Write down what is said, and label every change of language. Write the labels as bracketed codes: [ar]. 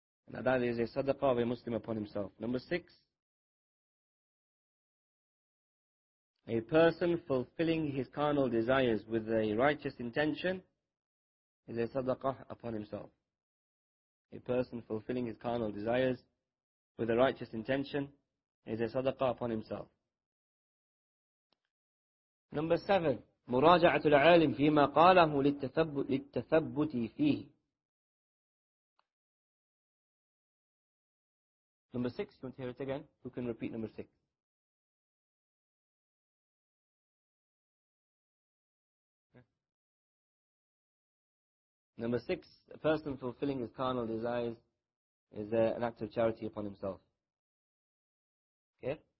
[en] That is a sadaqah of a Muslim upon himself. Number six, a person fulfilling his carnal desires with a righteous intention is a sadaqah upon himself. A person fulfilling his carnal desires with a righteous intention is a sadaqah upon himself. Number seven, [ar] مراجعه العالم فيما قاله للتثبت فيه. [en] Number six, you want to hear it again? Who can repeat number six? Number six, a person fulfilling his carnal desires is an act of charity upon himself. Okay?